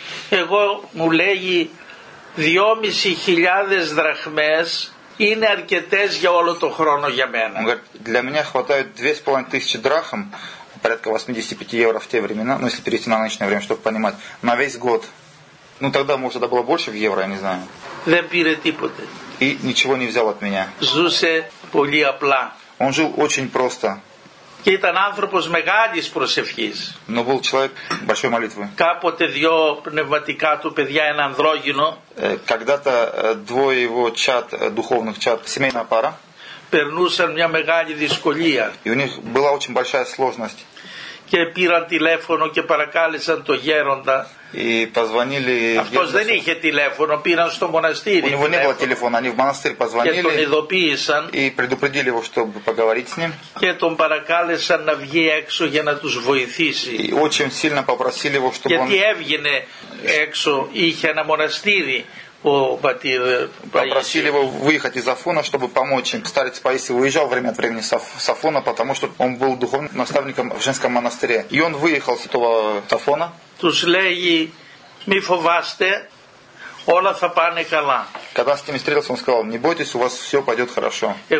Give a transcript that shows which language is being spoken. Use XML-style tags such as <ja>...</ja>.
<el>Εγώ, μου λέγει, 2.500 δραχμές είναι αρκετές για όλο το χρόνο για μένα.</el> <ru>Он говорит, для меня хватает 2.500 δραχμ, порядка 85 евро в те времена, ну, если перейти на нынешнее время, чтобы понимать, на весь год. Ну, тогда, может, это было больше в евро, я не знаю.</ru> <el>Δεν πήρε τίποτε.</el> <ru>И ничего не взял от меня.</ru> <el>Ζούσε πολύ απλά.</el> <ru>Он жил очень просто.</ru> <el>Και ήταν άνθρωπος μεγάλης προσευχής.</el> <ru>Но был человек большой молитвы.</ru> <el>Κάποτε δυο πνευματικά του παιδιά, ένα ανδρόγυνο.</el> <ru>Когда-то двое его чад, духовных чад, семейная пара.</ru> <el>Περνούσαν μια μεγάλη δυσκολία.</el> <ru>И у них была очень большая сложность.</ru> <el>Και πήραν τηλέφωνο και παρακάλεσαν το γέροντα.</el> <ru>Позвонили...</ru> <el>Αυτός δεν είχε τηλέφωνο, πήραν στο μοναστήρι.</el> <ru>У него не было телефона, они в монастырь позвонили.</ru> <el>Και τον ειδοποίησαν.</el> <ru>И предупредили его, чтобы поговорить с ним.</ru> <el>Και τον παρακάλεσαν να βγει έξω για να τους βοηθήσει.</el> <ru>И очень сильно попросили его, чтобы</ru> <el>Γιατί έβγαινε έξω, είχε ένα μοναστήρι</el> <ru>попросили его выехать из Афона, чтобы помочь им. Старец Паисий уезжал время от времени с Афона, потому что он был духовным наставником в женском монастыре. И он выехал с этого Афона. Когда с ними встретился, он сказал: «Не бойтесь, у вас все пойдет хорошо».</ru>